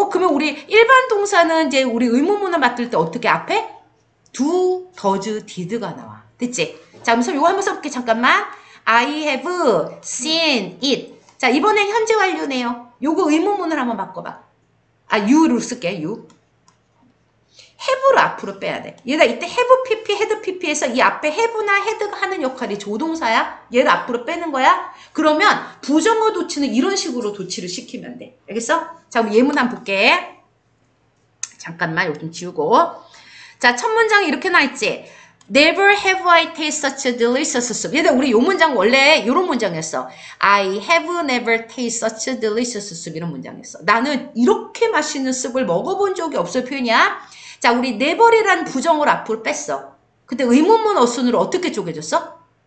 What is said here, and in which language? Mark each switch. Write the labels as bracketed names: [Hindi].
[Korean] 그러면 우리 일반 동사는 이제 우리 의문문을 맡을 때 어떻게 앞에? Do, does, did가 나와. 됐지? 자, 그럼 이거 한번 써볼게. 잠깐만. [English] I have seen it. [Korean] 자, 이번엔 현재 완료네요. 요거 의문문을 한번 바꿔봐. 아, you를 쓸게. you. have로 앞으로 빼야 돼. 얘가 이때 have pp, had pp에서 이 앞에 have나 had가 하는 역할이 조동사야. 얘를 앞으로 빼는 거야. 그러면 부정어 도치는 이런 식으로 도치를 시키면 돼. 알겠어? 자, 그럼 예문 한번 볼게. 잠깐만. 요거 좀 지우고. 자, 첫 문장이 이렇게 나 있지? [English] Never have I tasted such a delicious soup. [Korean] 얘들아, 우리 이 문장 원래 이런 문장이었어. [English] I have never tasted such a delicious soup. [Korean] 이런 문장이었어. 나는 이렇게 맛있는 수프를 먹어본 적이 없을 표현이야. 자, 우리 never이란 부정을 앞으로 뺐어. 근데 의문문 어순으로 어떻게 쪼개졌어?